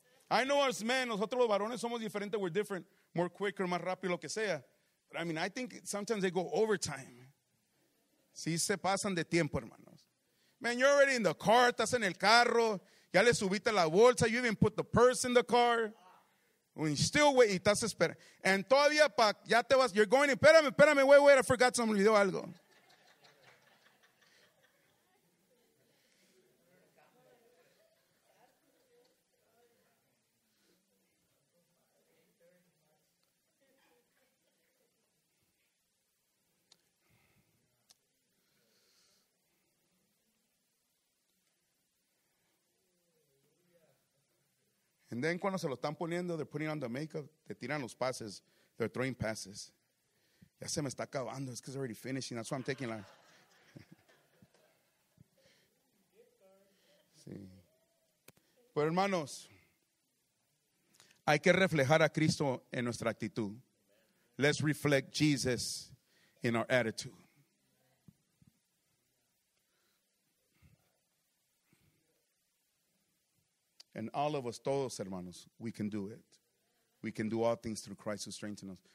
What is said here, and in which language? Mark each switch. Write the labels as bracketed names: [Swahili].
[English] I know us men, [Spanish] nosotros los varones somos diferentes. [English] We're different, more quicker, [Spanish] más rápido, lo que sea. [English] But I mean, I think sometimes they go overtime. [Spanish] Si se pasan de tiempo, hermanos. [English] Man, you're already in the car, [Spanish] estás en el carro. Ya le subiste la bolsa, [English] you even put the purse in the car. When you still wait, [Spanish] y estás esperando. [English] And [Spanish] todavía, pa, ya te vas, [English] you're going, [Spanish] espérame, espérame, [English] wait, wait, I forgot something, [Spanish] olvidó algo. [English] And then [Spanish] cuando se lo están poniendo, [English] they're putting on the makeup, [Spanish] te tiran los pases, [English] they're throwing passes. [Spanish] Ya se me está acabando, [English] it's because I'm already finishing, that's why I'm taking life. [Spanish] Sí. Pero hermanos, hay que reflejar a Cristo en nuestra actitud. [English] Let's reflect Jesus in our attitude. And all of us, todos, hermanos, we can do it. We can do all things through Christ who strengthens us.